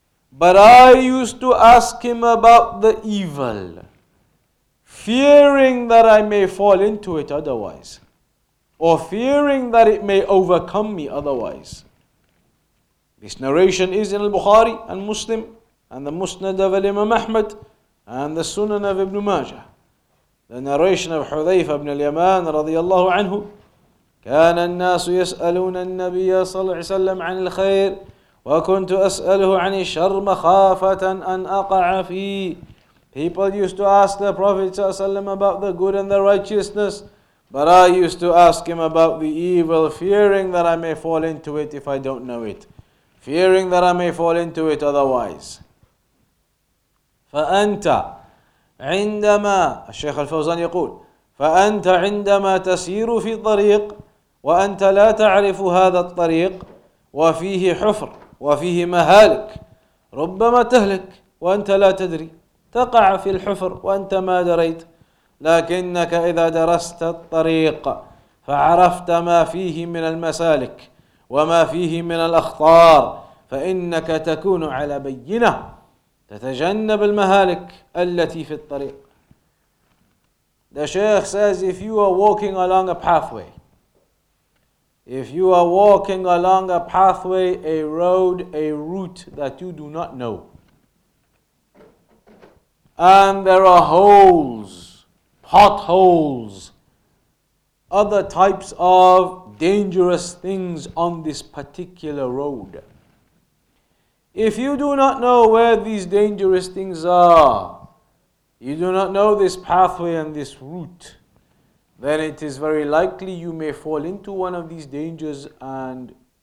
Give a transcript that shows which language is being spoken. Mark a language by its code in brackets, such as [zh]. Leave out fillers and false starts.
[en] But I used to ask him about the evil, fearing that I may fall into it otherwise, or fearing that it may overcome me otherwise. This narration is in Al-Bukhari and Muslim, and the Musnad of Imam Ahmad, and the Sunan of Ibn Majah. The narration of Hudhayfa ibn al-Yaman radiyallahu anhu. [ar] كان الناس يسألون النبي صلى الله عليه وسلم عن الخير وكنت أسأله عن الشر مخافة أن أقع فيه. [en] People used to ask the Prophet صلى الله عليه وسلم about the good and the righteousness, but I used to ask him about the evil, fearing that I may fall into it if I don't know it, fearing that I may fall into it otherwise. [ar] فأنت عندما الشيخ الفوزان يقول فأنت عندما تسير في طريق وأنت لا تعرف هذا الطريق وفيه حفر وفيه مهالك ربما تهلك وأنت لا تدري تقع في الحفر وأنت ما دريت لكنك إذا درست الطريق فعرفت ما فيه من المسالك وما فيه من الأخطار فإنك تكون على بينة تتجنب المهالك التي في الطريق. [en] The Shaykh says, if you are walking along a pathway, if you are walking along a pathway, a road, a route that you do not know, and there are holes, potholes, other types of dangerous things on this particular road, if you do not know where these dangerous things are, you do not know this pathway and this route, then it is very likely you may fall into one of these dangers and